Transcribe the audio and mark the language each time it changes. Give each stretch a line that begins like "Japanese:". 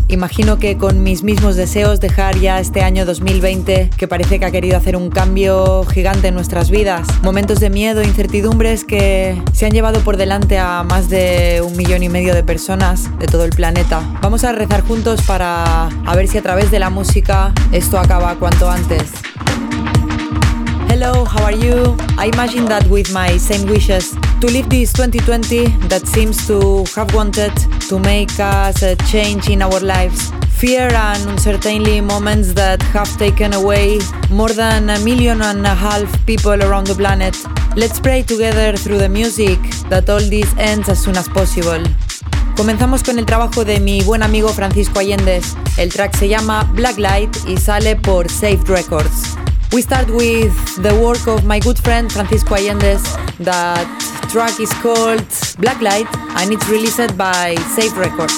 Spanish: Imagino que con mis mismos deseos dejar ya este año 2020, que parece que ha querido hacer un cambio gigante en nuestras vidas. Momentos de miedo e incertidumbres que se han llevado por delante a más de 1,5 millones de personas de todo el planeta. Vamos a rezar juntos para a ver si a través de la música esto acaba cuanto antes.
English: Hello, how are you? I imagine that with my same wishes to live this 2020 that seems to have wanted to make us a change in our lives. Fear and uncertainty moments that have taken away more than 1.5 million people around the planet. Let's pray together through the music that all this ends as soon as possible.
Spanish: Comenzamos con el trabajo de mi buen amigo Francisco Allende. El track se llama Black Light y sale por Safe Records.
English: We start with the work of my good friend Francisco Allende. That track is called Black Light and it's released by Safe Records.